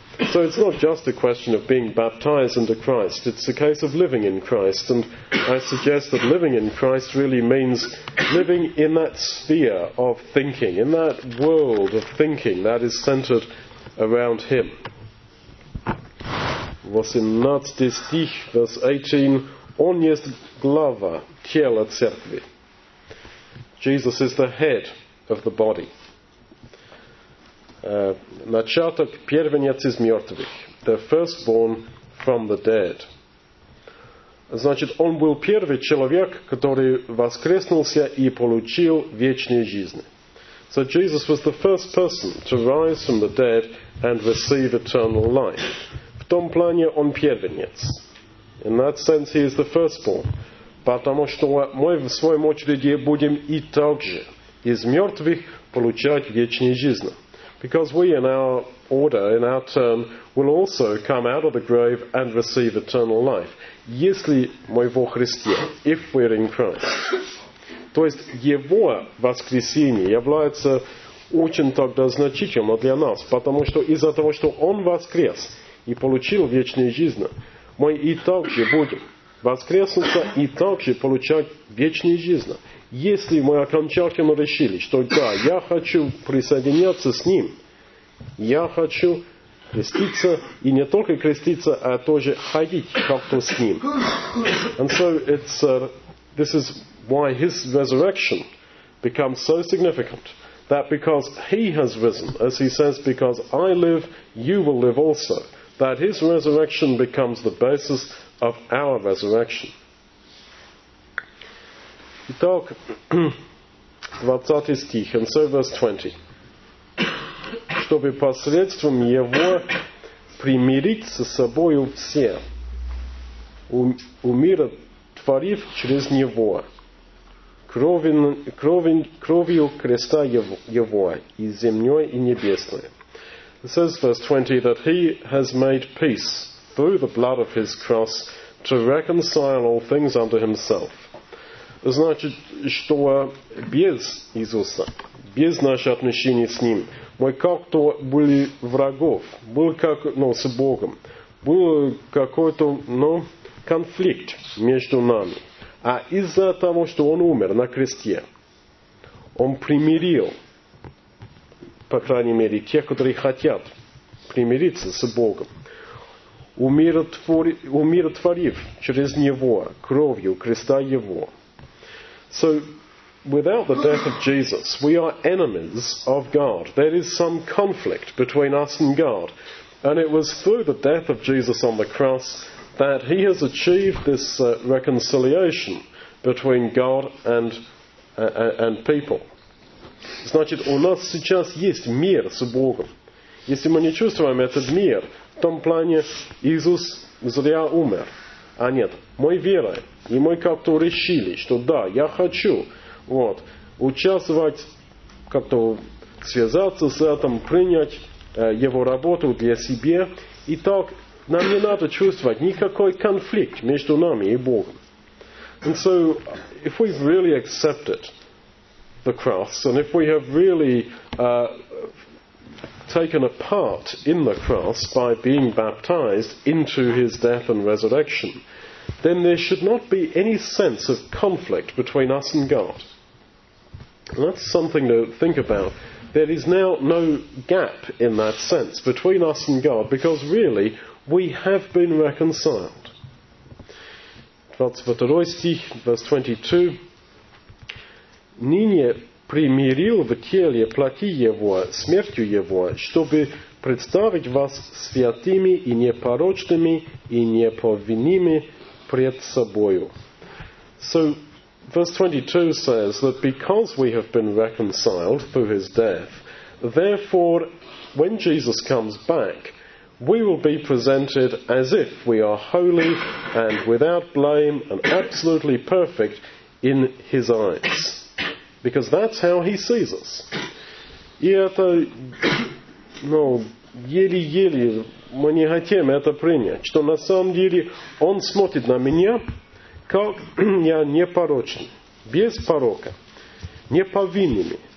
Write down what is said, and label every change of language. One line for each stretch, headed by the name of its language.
English: So it's not just a question of being baptized into Christ, it's a case of living in Christ, and I suggest that living in Christ really means living in that sphere of thinking, in that world of thinking that is centered around Him.
Russian: 18 стих,
English: verse 18,
Russian: Он есть глава тела церкви.
English: Jesus is the head of the body.
Russian: Начаток первенец из мертвых.
English: The firstborn from the dead.
Russian: Значит, он был первый человек, который воскреснулся и получил вечную жизнь.
English: So Jesus was the first person to rise from the dead and receive eternal life.
Russian: В том плане он первенец.
English: In that sense he is the firstborn.
Russian: Потому что мы в своем очереди будем и также из мертвых получать вечную жизнь.
English: Because we, in our order, in our turn, will also come out of the grave and receive eternal life.
Russian: Если мы во Христе,
English: if we're in Christ.
Russian: То есть, Его воскресение является очень тогда значительным для нас, потому что из-за того, что Он воскрес и получил вечную жизнь, мы и также будем воскреснуться и также получать вечную жизнь. Если мы окончательно решили, что да, я хочу присоединяться с Ним, я хочу креститься, и не только креститься, а тоже ходить как-то с Ним.
English: And so it's this is why His resurrection becomes so significant, that because He has risen, as He says, because I live, you will live also, that His resurrection becomes the basis of our resurrection.
Russian: Итак, 20 стих,
English: and so verse 20.
Russian: Чтобы посредством Его примирить со собою все, умиротворив через Него, кровью креста Его, и земной, и небесной.
English: It says, verse 20, that He has made peace through the blood of His cross to reconcile all things unto Himself.
Russian: Значит, что без Иисуса, без наших отношений с Ним, мы как-то были врагов, был как, ну, с Богом, был какой-то, ну, конфликт между нами. А из-за того, что Он умер на кресте, Он примирил, по крайней мере, тех, которые хотят примириться с Богом, умиротворив через Него кровью креста Его.
English: So, without the death of Jesus, we are enemies of God. There is some conflict between us and God. And it was through the death of Jesus on the cross that He has achieved this reconciliation between God and people.
Russian: Значит, у нас сейчас есть мир с Богом. Если мы не чувствуем этот мир, в том плане Иисус зря умер. А нет, мы верой, и мы как-то решили, что да, я хочу вот, участвовать, как-то связаться с этим, принять его работу для себя. И так нам не надо чувствовать никакой конфликт между нами и Богом.
English: And so, if we've really accepted the cross, and if we have really taken a part in the cross by being baptized into His death and resurrection, then there should not be any sense of conflict between us and God. And that's something to think about. There is now no gap in that sense between us and God, because really, we have been reconciled.
Russian: 22 стих,
English: verse 22.
Russian: Ныне примирил в теле плоти Его смертью Его, чтобы представить вас святыми и непорочными и неповинными пред Собою.
English: So, verse 22 says that because we have been reconciled through His death, therefore, when Jesus comes back, we will be presented as if we are holy and without blame and absolutely perfect in His eyes. Because that's how He sees us.
Russian: И это, ну, еле-еле мы не хотим это принять, что на самом деле Он смотрит на меня, как я непорочен, без порока, неповинными.